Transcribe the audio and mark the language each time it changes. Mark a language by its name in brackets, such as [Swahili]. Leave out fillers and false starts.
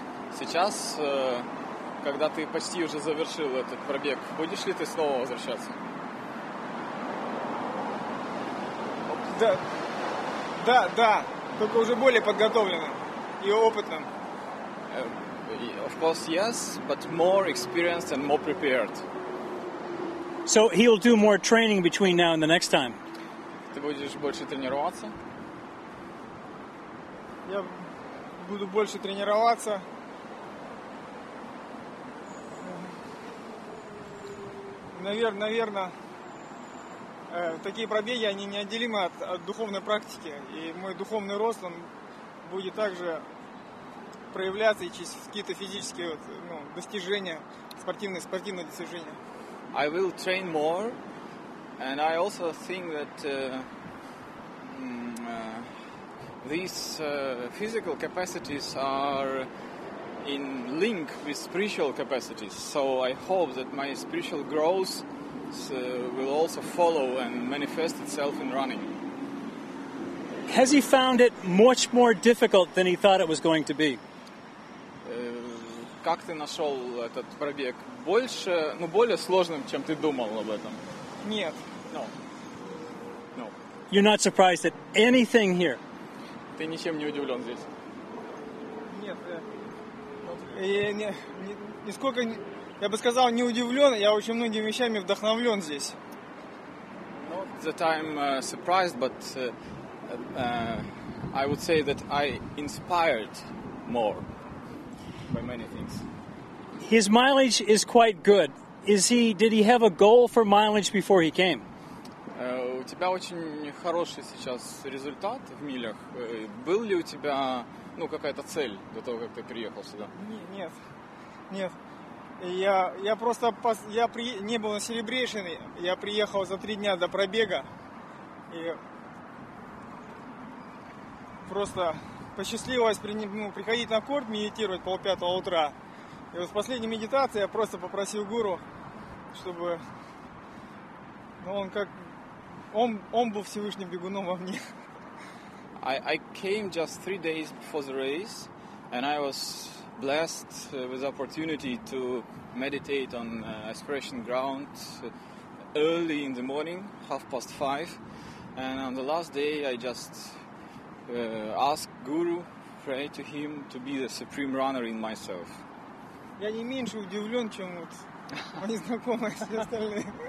[Russian] Сейчас, когда ты почти уже завершил этот пробег, будешь ли ты снова возвращаться? Да, да, да, только уже более подготовленным и опытным. [English] Of course, yes, but more experienced and more prepared. So he'll do more training between now and the next time. [Russian] Ты будешь больше тренироваться? Я буду больше тренироваться. Наверное, такие пробеги, они неотделимы от духовной практики. И мой духовный рост, он будет также проявляться и через какие-то физические достижения, спортивные достижения. [English] I will train more, and I also think that these physical capacities are in link with spiritual capacities, so I hope that my spiritual growth will also follow and manifest itself in running. Has he found it much more difficult than he thought it was going to be? [Russian] как ты нашел этот пробег больше, ну, более сложным, чем ты думал об этом? Нет. [English] No. No. You're not surprised at anything here? [Russian] Ты ничем не удивлен здесь? Нет, я нисколько, я бы сказал, не удивлен, я очень многими вещами вдохновлен здесь. [English] Not that I'm surprised, but I would say that I inspired more by many things. His mileage is quite good. Did he have a goal for mileage before he came? [Russian] У тебя очень хороший сейчас результат в милях. Был ли у тебя, ну, какая-то цель до того, как ты приехал сюда? Нет. Я не был на Celebration, я приехал за 3 дня до пробега и просто посчастливилось приходить на корт, медитировать 4:30 утра. И вот в последней медитации я просто попросил гуру, чтобы он был Всевышним бегуном во мне. [English] I came just 3 days before the race, and I was blessed with opportunity to meditate on aspiration ground early in the morning, 5:30. And on the last day, I just ask Guru, pray to him to be the supreme runner in myself. [Russian] Я не меньше удивлен, чем вот мои знакомые все остальные.